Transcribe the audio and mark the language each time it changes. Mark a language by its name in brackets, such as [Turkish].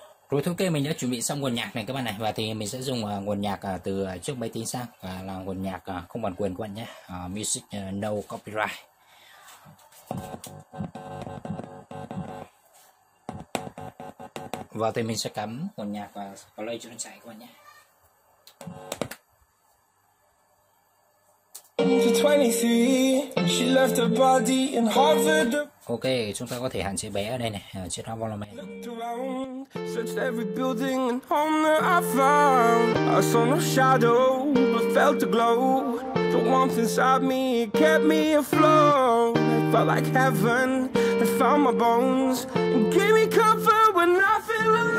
[Vietnamese] Rồi thôi, ok, mình đã chuẩn bị xong nguồn nhạc này các bạn này, và thì mình sẽ dùng nguồn nhạc từ chiếc máy tính sang, và là nguồn nhạc không bản quyền các bạn nhé, Music No Copyright. Và thì mình sẽ cắm nguồn nhạc và play cho nó chạy các bạn nhé. [English] She's 23, she left her body in Harvard. [Vietnamese] Ok, chúng ta có thể hạn chế bé ở đây này, ở trên volume. [English] Searched every building and home that I found. I saw no shadow, but felt a glow. The warmth inside me kept me afloat. It felt like heaven had found my bones and gave me comfort when I feel alone.